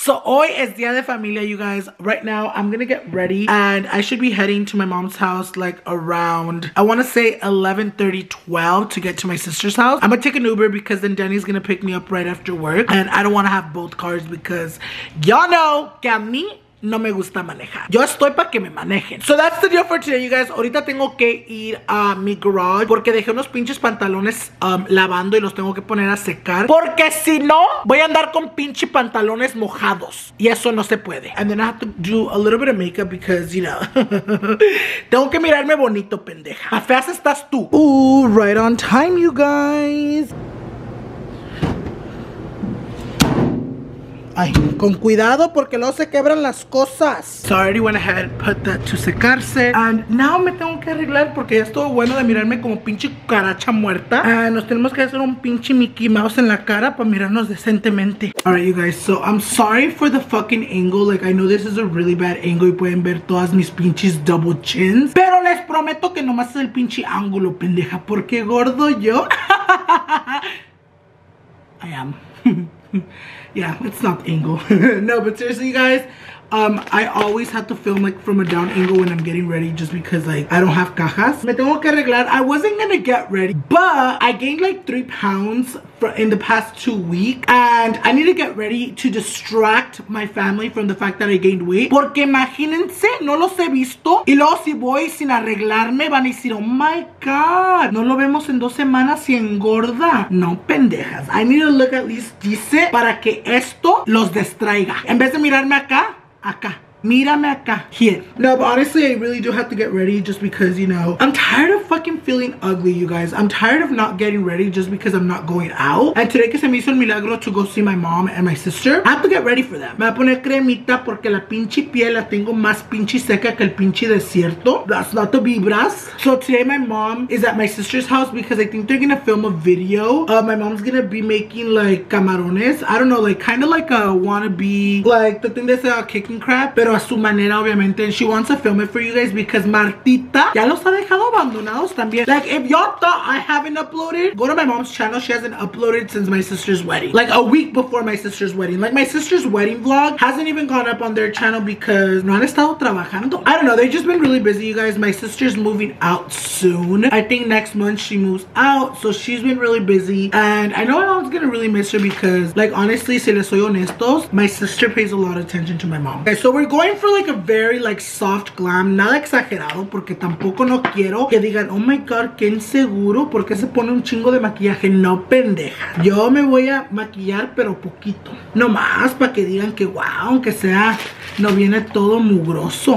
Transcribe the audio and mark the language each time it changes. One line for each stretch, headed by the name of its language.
English: So
Spanish: hoy es día de familia,
English: you guys. Right now I'm gonna get ready and I should be heading to my mom's house like around, I want to say 11:30, 12 to get to my sister's house. I'm gonna take an Uber because then Danny's gonna pick me up right after work and I don't want to have both cars because y'all know
Spanish: que a mí no me gusta manejar. Yo estoy para que me manejen.
English: So that's the deal for today, you guys.
Spanish: Ahorita tengo que ir a mi garage porque dejé unos pinches pantalones lavando y los tengo que poner a secar. Porque si no, voy a andar con pinche pantalones mojados. Y eso no se puede.
English: And then I have to do a little bit of makeup because, you know.
Spanish: Tengo que mirarme bonito, pendeja. A feas estás tú.
English: Ooh, right on time, you guys.
Spanish: Ay, con cuidado porque luego se quebran las cosas.
English: So I already went ahead, put that to secarse. And now
Spanish: me tengo que arreglar porque ya estuvo bueno de mirarme como pinche cucaracha muerta. Nos tenemos que hacer un pinche Mickey Mouse en la cara para mirarnos decentemente.
English: Alright, you guys, so I'm sorry for the fucking angle. Like, I know this is a really bad angle
Spanish: y pueden ver todas mis pinches
English: double chins.
Spanish: Pero les prometo que nomás es el pinche ángulo, pendeja. Porque gordo yo.
English: I am. Yeah, it's not the angle. No, but seriously, you guys, I always have to film like from a down angle when I'm getting ready just because like I don't have cajas.
Spanish: Me tengo que arreglar.
English: I wasn't gonna get ready, but I gained like 3 pounds in the past 2 weeks, and I need to get ready to distract my family from the fact that I gained weight.
Spanish: Porque imagínense, no los he visto. Y luego si voy sin arreglarme, van a decir,
English: oh my god,
Spanish: no lo vemos en 2 semanas y engorda. No, pendejas.
English: I need to look at least decent
Spanish: para que esto los distraiga. En vez de mirarme acá, acá. Mírame acá.
English: Here. No, but honestly, I really do have to get ready just because, you know, I'm tired of fucking feeling ugly, you guys. I'm tired of not getting ready just because I'm not going out. And today,
Spanish: que se me hizo un milagro
English: to go see my mom and my sister, I have to get ready for them.
Spanish: Me voy a poner cremita porque la pinche piel la tengo más pinche seca que el pinche desierto.
English: That's not the vibras. So today, my mom is at my sister's house because I think they're gonna film a video. My mom's gonna be making, like, camarones. I don't know, like, kind of like a wannabe, like, the thing that's about kicking crap.
Spanish: Pero a su manera, obviamente.
English: And she wants to film it for you guys because Martita
Spanish: ya los ha dejado abandonados también.
English: Like, if y'all thought I haven't uploaded, go to my mom's channel. She hasn't uploaded since my sister's wedding. Like, a week before my sister's wedding. Like, my sister's wedding vlog hasn't even gone up on their channel because
Spanish: no han estado trabajando.
English: I don't know. They've just been really busy, you guys. My sister's moving out soon. I think next month she moves out. So she's been really busy. And I know my mom's gonna really miss her because, like, honestly,
Spanish: si les soy honestos,
English: my sister pays a lot of attention to my mom. Okay, so we're going for like a very like soft glam.
Spanish: Nada exagerado porque tampoco no quiero que digan,
English: oh my god,
Spanish: que inseguro, porque se pone un chingo de maquillaje. No, pendeja, yo me voy a maquillar pero poquito nomás para que digan que wow, aunque sea no viene todo mugroso.